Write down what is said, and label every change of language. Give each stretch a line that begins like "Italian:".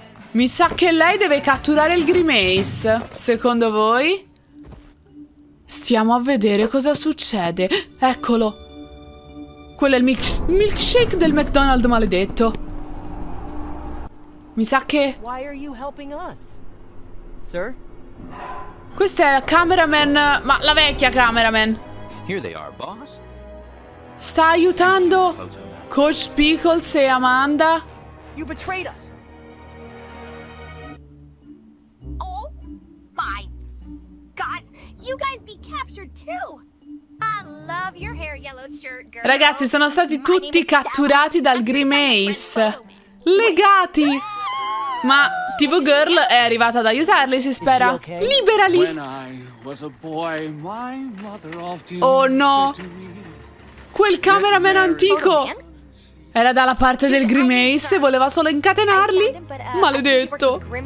Italian: Mi sa che lei deve catturare il Grimace. Secondo voi? Stiamo a vedere cosa succede. Eccolo! Quello è il milkshake del McDonald's maledetto. Mi sa che...
English: Why are you helping us, sir?
Italian: Questa è la cameraman... Ma la vecchia cameraman!
English: Here they are, boss.
Italian: Sta aiutando Coach Pickles e Amanda.
English: You betrayed us. Oh my god, you guys be captured too. I love your hair, yellow shirt girl.
Italian: Ragazzi, sono stati tutti catturati dal Grimace. Legati. Ma TV Girl è arrivata ad aiutarli, si spera. Liberali. Oh no! Quel cameraman antico era dalla parte del Grimace e voleva solo incatenarli? Maledetto!